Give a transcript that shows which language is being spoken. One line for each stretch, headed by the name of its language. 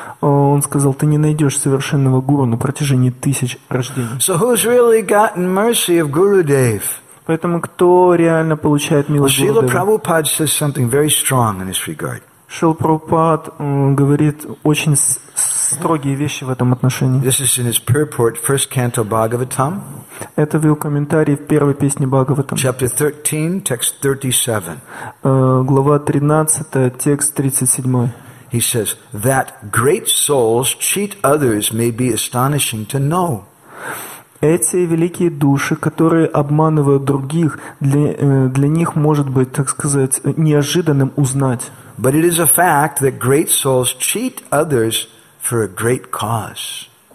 Russian: Он сказал, ты не найдешь совершенного гуру на протяжении тысяч рождений.
English: So who's really gotten mercy of Gurudev?
Russian: Поэтому кто реально получает милость Гурудева?
English: Шрила Прабхупад says something very strong in this regard.
Russian: Шрила Прабхупад говорит очень строгие вещи в этом отношении.
English: This is in his purport, first canto Bhagavatam.
Russian: Это в его комментарии в первой песне Бхагаватам.
English: Chapter 13, text 37.
Russian: Глава 13, текст 37.
English: He says that great souls cheat others may be astonishing to know.
Russian: Эти великие души, которые обманывают других, для них может быть, так сказать, неожиданным узнать.
English: But it is a fact that great souls cheat others for a great cause.